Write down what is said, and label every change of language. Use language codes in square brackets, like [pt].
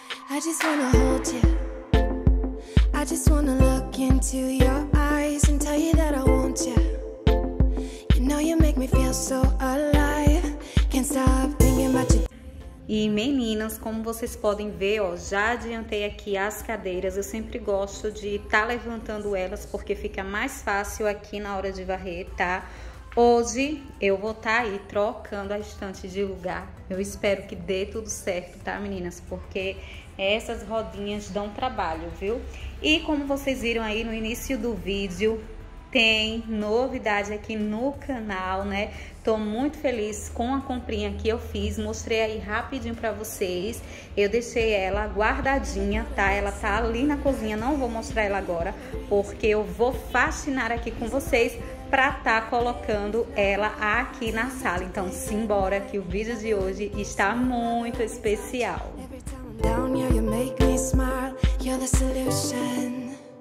[en] I just wanna hold you. I just wanna look into your eyes and tell you that I want you. You know you make me feel so alive. Can't stop thinking about you. [pt] E meninas, como vocês podem ver, ó, já adiantei aqui as cadeiras. Eu sempre gosto de estar levantando elas porque fica mais fácil aqui na hora de varrer, tá? Hoje eu vou estar aí trocando a estante de lugar. Eu espero que dê tudo certo, tá, meninas? Porque essas rodinhas dão trabalho, viu? E como vocês viram aí no início do vídeo, tem novidade aqui no canal, né? Tô muito feliz com a comprinha que eu fiz. Mostrei aí rapidinho pra vocês. Eu deixei ela guardadinha, tá? Ela tá ali na cozinha. Não vou mostrar ela agora, porque eu vou faxinar aqui com vocês pra tá colocando ela aqui na sala. Então, simbora que o vídeo de hoje está muito especial. [en] Down, yeah, you make me smile. You're the solution.